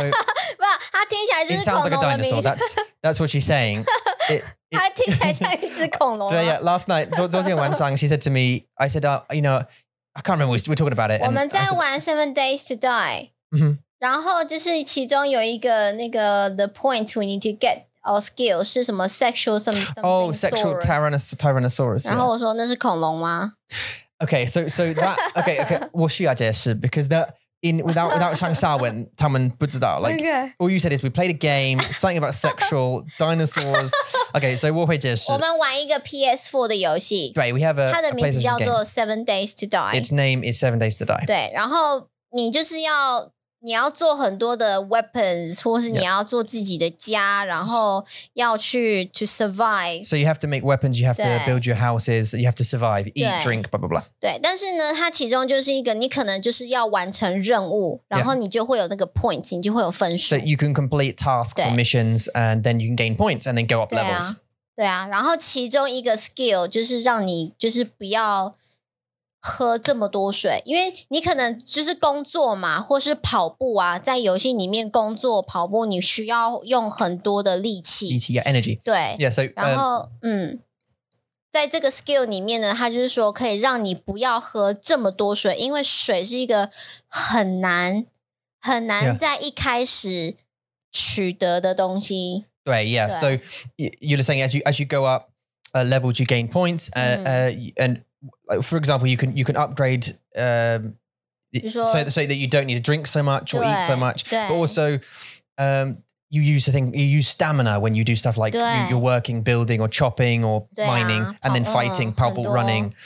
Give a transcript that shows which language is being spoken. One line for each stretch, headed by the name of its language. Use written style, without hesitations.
Chinese: 不他听起来就是恐龙的名字
English: it sounds like a dinosaur that's what she's saying
Chinese: 他听起来像一只恐龙对
English: yeah last night
Chinese: 昨天晚上
English: she said to me I said you know I can't remember we're talking about it
Chinese: 我们在玩 Seven Days to Die 然后就是其中有一个那个
English: the point we need to get our skill
Chinese: 是什么
English: sexual something oh sexual tyrannosaurus
Chinese: 然后我说那是恐龙吗
English: Okay, so that,
Chinese: 我需要解释,
English: because that, in, without 上下文,
Chinese: 他们不知道,
English: like, okay. All you said is we played a game, something about sexual, dinosaurs. Okay, so
Chinese: 我会解释。我们玩一个 PS4 的游戏。
English: Right, we have a
Chinese: 它的名字叫做 Seven Days to Die.
English: Its name is Seven Days to Die.
Chinese: 对,然后你就是要,你要做很多的 weapons, 或是你要做自己的家,然后要去
English: to survive. So you have to make weapons, you have to build your houses, you have to survive, eat, drink, blah, blah, blah.
Chinese: 对,但是呢,它其中就是一个,你可能就是要完成任务,然后你就会有那个 points, 你就会有分数。
English: So you can complete tasks and missions, and then you can gain points, and then go up levels.
Chinese: 对啊,然后其中一个 skill 就是让你就是不要喝这么多水，因为你可能就是工作嘛，或是跑步啊，在游戏里面工作跑步，你需要用很多的力气。力气 ,energy. 对。
English: Yeah, so,
Chinese: 然后在这个 skill 里面呢，它就是说可以让你不要喝这么多水，因为水是一个很难很难在一开始取得的东西。对
English: ,yeah, 对 so you're saying as you go up levels, you gain points, and for example, you can upgrade, so that you don't need to drink so much or eat so much, but also, you use stamina when you do stuff like you're working, building or chopping or mining and then fighting, pao-bu, running.